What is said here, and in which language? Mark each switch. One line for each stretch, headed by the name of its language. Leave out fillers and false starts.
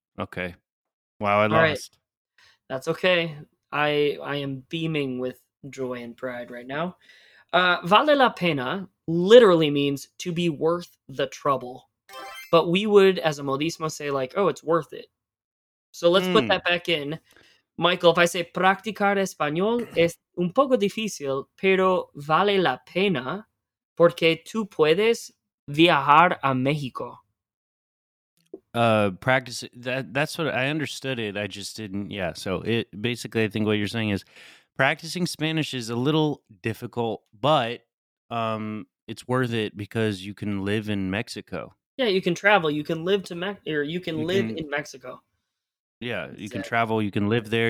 English: Okay. Wow, I lost. Right. That's okay. I am beaming with joy and pride right now.
Spanish: Vale la pena
English: literally means to be worth the trouble. But we would, as a modismo, say like, oh, it's worth it. So let's put that back in. Michael, if I say
Spanish: practicar español es un poco difícil, pero vale la pena porque tú puedes viajar a México.
English: Practice that's what I understood it. I just didn't. Yeah. So it basically, I think what you're saying is practicing Spanish is a little difficult, but it's worth it because you can live in Mexico. Yeah, you can travel. You can live to Mexico. Yeah, you can travel. You can live there.